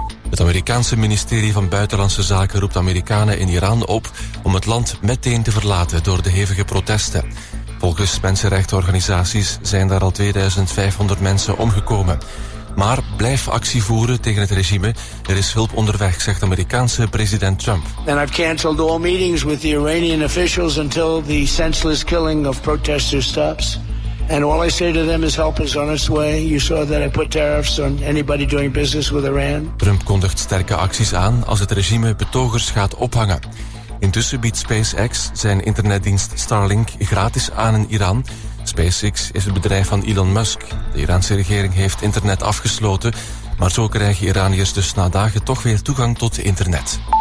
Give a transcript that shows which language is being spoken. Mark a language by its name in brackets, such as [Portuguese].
[Dutch] Het Amerikaanse ministerie van Buitenlandse Zaken roept Amerikanen in Iran op om het land meteen te verlaten door de hevige protesten. Volgens mensenrechtenorganisaties zijn daar al 2500 mensen omgekomen. Maar blijf actie voeren tegen het regime. Er is hulp onderweg, zegt Amerikaanse president Trump. [English] And I've canceled all meetings with the Iranian officials until the senseless killing of protesters stops. And all I say to them is help is on its way. You saw that I put tariffs on anybody doing business with Iran. [Dutch] Trump kondigt sterke acties aan als het regime betogers gaat ophangen. Intussen biedt SpaceX zijn internetdienst Starlink gratis aan in Iran. SpaceX is het bedrijf van Elon Musk. De Iraanse regering heeft internet afgesloten, maar zo krijgen Iraniërs dus na dagen toch weer toegang tot internet.